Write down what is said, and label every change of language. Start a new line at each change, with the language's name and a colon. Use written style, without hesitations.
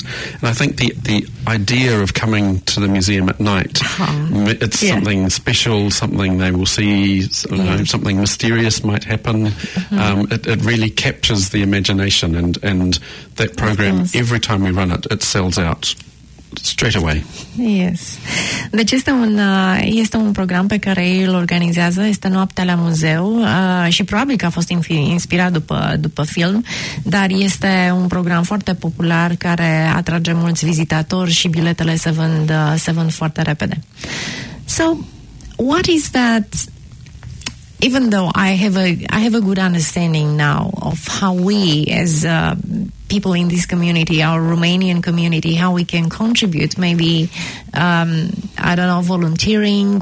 English: And I think the idea of coming to the museum at night, it's something special, something they will see, something mysterious might happen. It really captures the imagination, and that program, every time we run it, it sells out. Straight away. Yes.
Romanian: Deci este un program pe care ei îl organizează, este Noaptea la Muzeu, și probabil că a fost inspirat după film, dar este un program foarte popular care atrage mulți vizitatori și biletele se vând foarte repede.
English: So, what is that, even though I have a good understanding now of how we as people in this community, our Romanian community, how we can contribute, maybe, I don't know, volunteering.